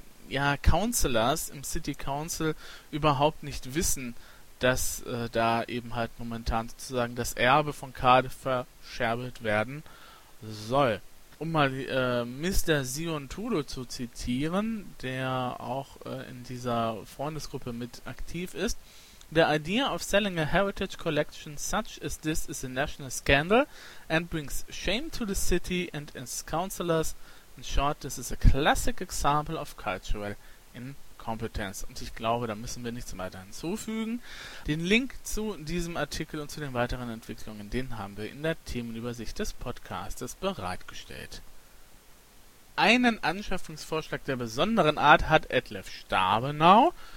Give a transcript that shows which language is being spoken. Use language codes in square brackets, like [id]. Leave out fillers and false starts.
[de] ja, Councillors im City Council überhaupt nicht wissen, dass da eben halt momentan sozusagen das Erbe von Cardiff verscherbelt werden soll. Um mal Mr. Sion Tudo zu zitieren, der auch in dieser Freundesgruppe mit aktiv ist, [en] The idea of selling a heritage collection such as this is a national scandal and brings shame to the city and its councillors. In short, this is a classic example of cultural incompetence. [de] Und ich glaube, da müssen wir nichts weiter hinzufügen. Den Link zu diesem Artikel und zu den weiteren Entwicklungen, den haben wir in der Themenübersicht des Podcasts bereitgestellt. Einen Anschaffungsvorschlag der besonderen Art hat Edlef Stabenow.